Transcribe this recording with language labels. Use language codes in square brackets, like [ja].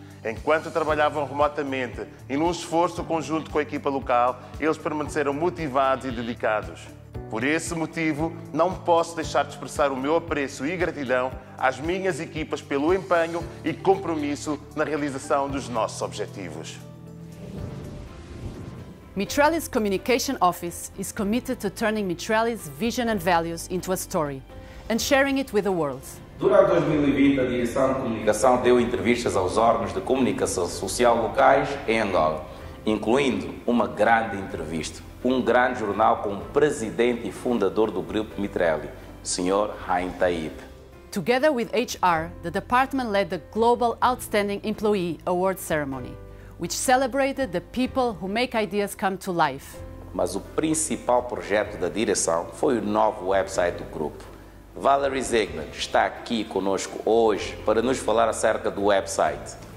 [pt] Enquanto trabalhavam remotamente e num esforço conjunto com a equipa local, eles permaneceram motivados e dedicados. Por esse motivo, não posso deixar de expressar o meu apreço e gratidão às minhas equipas pelo empenho e compromisso na realização dos nossos objetivos. [en] Mitrelli's Communication Office is committed to turning Mitrelli's vision and values into a story and sharing it with the world. [pt] Durante 2020, a Direção de Comunicação deu entrevistas aos órgãos de comunicação social locais em Angola, incluindo uma grande entrevista, um grande jornal com o presidente e fundador do Grupo Mitrelli, Sr. Haim Taib. [en] Together with HR, the department led the Global Outstanding Employee Award Ceremony, which celebrated the people who make ideas come to life. [pt] Mas o principal projeto da direção foi o novo website do grupo. Valerie Zegner está aqui conosco hoje para nos falar acerca do website.